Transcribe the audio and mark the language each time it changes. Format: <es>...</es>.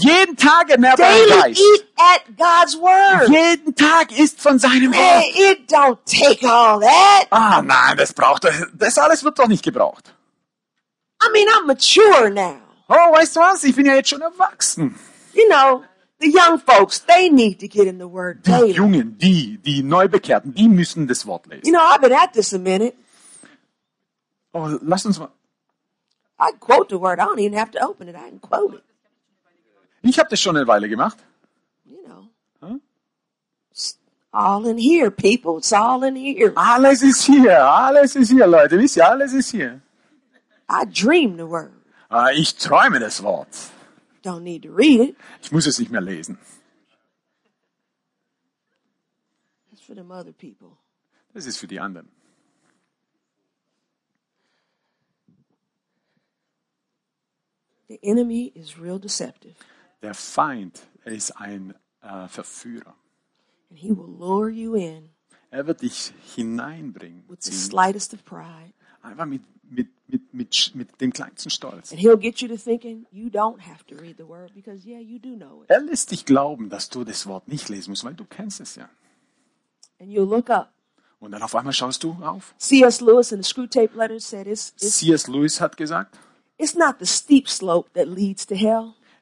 <de>Jeden Tag ernährt</de> <en>daily</en> <de>euren Geist.</de> <en>Eat at God's word.</en> <de>Jeden Tag isst von seinem</de> <en>hey,</en> <de>Wort.</de> <en>It don't take all that.</en> <de>Ah nein, das braucht doch, das alles wird doch nicht gebraucht.</de> <en>I mean, I'm mature now.</en> <de>Oh, weißt du was? Ich bin ja jetzt schon erwachsen.</de> <en>You know, the young folks, they need to get in the word daily.</en> <de>Die Jungen, die Neubekehrten, die müssen das Wort lesen.</de> <en>You know, I've been at this a minute.</en> <de>Oh, lass uns mal.</de> <en>I quote the word. I don't even have to open it. I can quote it.</en> <de>Ich habe das schon eine Weile gemacht.</de> <en>You know. Huh? All in here, people. It's all in here.</en> <de>Alles ist hier. Alles ist hier, Leute. Wisst ihr, alles ist hier.</de> <en>I dream the word.</en> <de>Ich träume das Wort.</de> <en>Don't need to read it.</en> <de>Ich muss es nicht mehr lesen.</de> <en>That's for them other people.</en> <de>Das ist für die anderen.</de> <en>The enemy is real deceptive.</en> <de>Der Feind ist ein Verführer.</de> <en>And he will lure you in.</en> <de>Er wird dich hineinbringen.</de> <en>With the slightest of pride.</en> <de>Einfach mit dem kleinsten Stolz.</de> <en>And he'll get you to thinking you don't have to read the word because yeah, you do know it.</en> <de>Er lässt dich glauben, dass du das Wort nicht lesen musst, weil du kennst es ja.</de> <en>And you look up.</en> <de>Und dann auf einmal schaust du auf.</de> <en>C.S. Lewis in the Screwtape Letter said</en> <de>C.S. Lewis hat gesagt,</de> <en>it's not the steep slope that leads to hell.</en>